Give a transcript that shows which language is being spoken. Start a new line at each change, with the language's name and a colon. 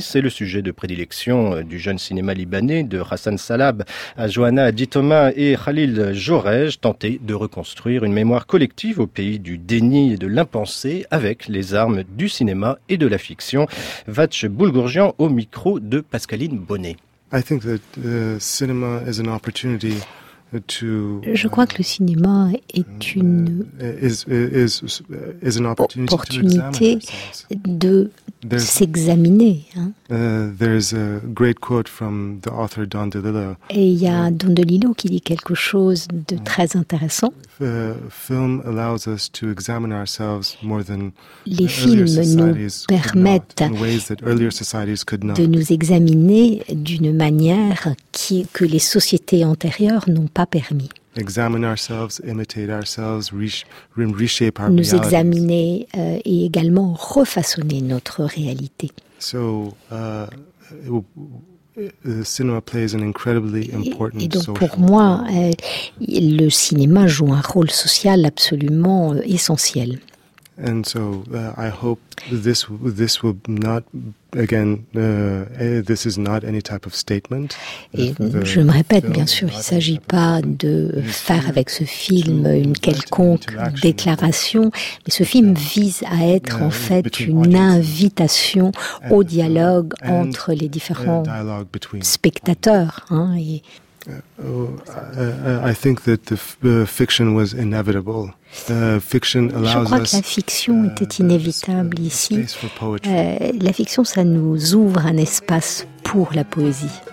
French: C'est le sujet de prédilection du jeune cinéma libanais, de Hassan Salab à Johanna Ditoma et Khalil Jorej, tenter de reconstruire une mémoire collective au pays du déni et de l'impensé avec les armes du cinéma et de la fiction. Vach Boulgourdjian au micro de Pascaline Bonnet.
English: I think that the cinema is an opportunity to.
French: Je crois que le cinéma est une
English: is an opportunity,
French: opportunité
English: to examine
French: de s'examiner. Hein.
English: There's a great quote from the author Don DeLillo.
French: Et il y a Don DeLillo qui dit quelque chose de très intéressant.
English: Film allows us to examine ourselves more than
French: les films nous permettent
English: in ways that earlier societies could not.
French: De nous examiner d'une manière que les sociétés antérieures n'ont pas permis.
English: Examine ourselves, imitate ourselves, reshape our
French: nous examiner et également refaçonner notre réalité.
English: So, the cinema plays an incredibly important
French: et donc pour moi, le cinéma joue un rôle social absolument essentiel.
English: And so, I hope this will not again. This is not any type of statement.
French: Et je me répète, bien sûr, il ne s'agit pas de faire avec ce film une quelconque déclaration, mais ce film vise à être en fait une invitation au dialogue entre les différents spectateurs. Hein, et
English: I think that the fiction was inevitable. Fiction allows
French: je crois que la fiction était inévitable ici. La fiction, ça nous ouvre un espace pour la poésie.